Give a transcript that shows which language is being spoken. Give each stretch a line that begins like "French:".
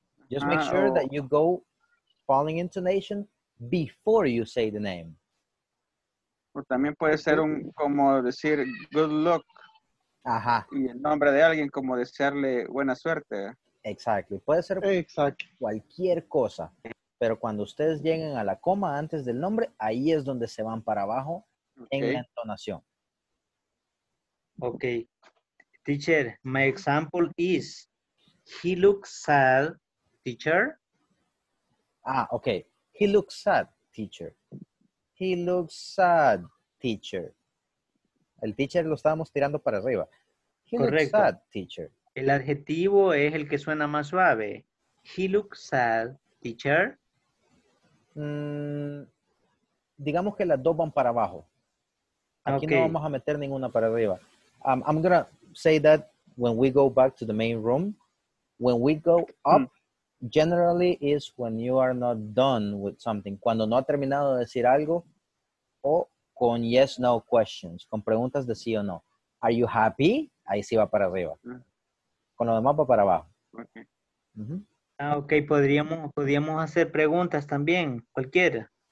English: Just make sure that you go following intonation before you say the name.
Spanish: O también puede ser un como decir
English: good luck.
Spanish: Ajá. Y el nombre de alguien como desearle buena suerte. Exactly. Puede ser cualquier cosa. Pero cuando ustedes lleguen a la coma antes del nombre, ahí es donde se van para abajo en la entonación.
English: Okay. Teacher, my example is he looks sad, teacher. Ah, okay. He looks sad, teacher. He looks sad, teacher.
Spanish: El teacher lo estábamos tirando para arriba. Correcto.
English: Looks sad, teacher.
Spanish: El adjetivo es el que suena más suave.
English: He looks sad, teacher.
Spanish: Digamos que las dos van para abajo. Aquí no vamos a meter ninguna para arriba.
English: I'm going to say that when we go back to the main room, when we go up, generally is when you are not done with something.
Spanish: Cuando no ha terminado de decir algo, o con
English: yes, no questions,
Spanish: con preguntas de sí o no.
English: Are you happy?
Spanish: Ahí sí va para arriba. Con lo demás va para abajo. Okay. Uh-huh. Ah, okay. Podríamos hacer preguntas también, cualquiera.